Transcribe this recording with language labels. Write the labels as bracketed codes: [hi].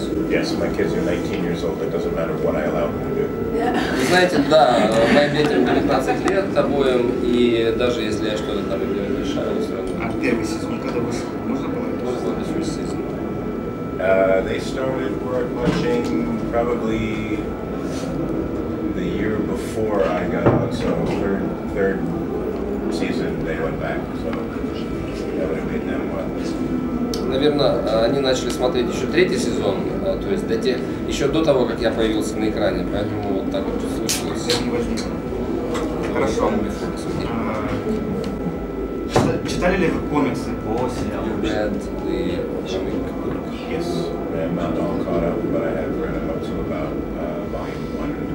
[en] Yes, my kids are 19 years old. It doesn't matter what I allow them to do. [ru] Вы знаете, да, моим детям 19 лет обоим, и даже если я что-то там им не разрешаю, все равно. А первый сезон, когда вышел, можно было? Можно было первый сезон. [en] They started work watching probably the year before I got out, so third season they went back, so that would have been them what. [ru] Наверное, они начали смотреть еще третий сезон, то есть еще до того, как я появился на экране, поэтому вот так вот случилось. Хорошо. Читали ли вы комиксы по сериалу? [en] You read the comic book? Yes, I'm not all caught up, but I have read up to about volume 1.